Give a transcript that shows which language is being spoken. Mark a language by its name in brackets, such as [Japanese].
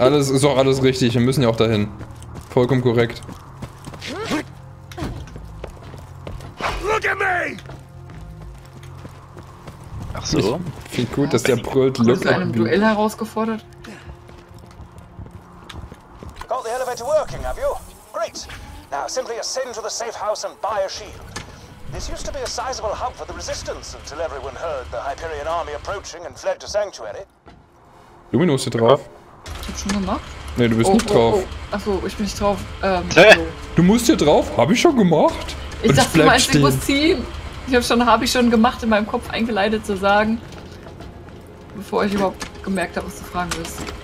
[German] Alles ist auch alles richtig, wir müssen ja auch dahin. Vollkommen korrekt. [English] Look at me! [German] Ach so. Ich find gut, dass der brüllt. Du bist einem Duell herausgefordert. [English] Got the elevator working, have you? Great. Now simply ascend to the safe house and buy a shield. This used to be a sizable hub for the resistance until everyone heard the Hyperion army approaching and fled to sanctuary. [German] Lumino ist hier drauf. Ich hab schon gemacht. Nee, du bist nicht drauf. Achso, ich bin nicht drauf. Du musst hier drauf? Hab ich schon gemacht? Ich dachte mal, ich muss ziehen. Ich hab schon gemacht, in meinem Kopf eingeleitet zu sagen. Bevor ich überhaupt gemerkt habe, was du fragen willst.